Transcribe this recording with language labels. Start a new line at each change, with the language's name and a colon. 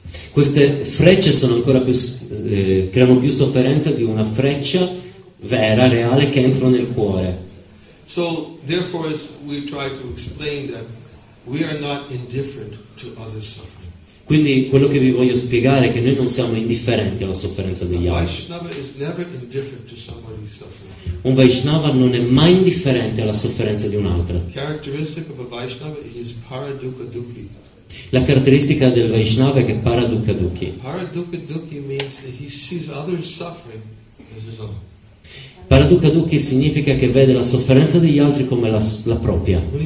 Italian: Queste frecce sono ancora più creano più sofferenza di una freccia vera, reale, che entra nel cuore.
English: So therefore as we try to explain that we are not indifferent to others' suffering.
Italian: Quindi quello che vi voglio spiegare è che noi non siamo indifferenti alla sofferenza degli altri.
English: A Vaishnava is never indifferent to somebody's suffering.
Italian: Un Vaishnava non è mai indifferente alla sofferenza di un altro.
English: Characteristic of a Vaishnava is paradukkha-dukkhi.
Italian: La caratteristica del Vaishnava è che paradukkha-dukkhi.
English: Paradukkha-dukkhi means that he sees others suffering as his own.
Italian: Paradukkha dukkhi significa che vede la sofferenza degli altri come la propria.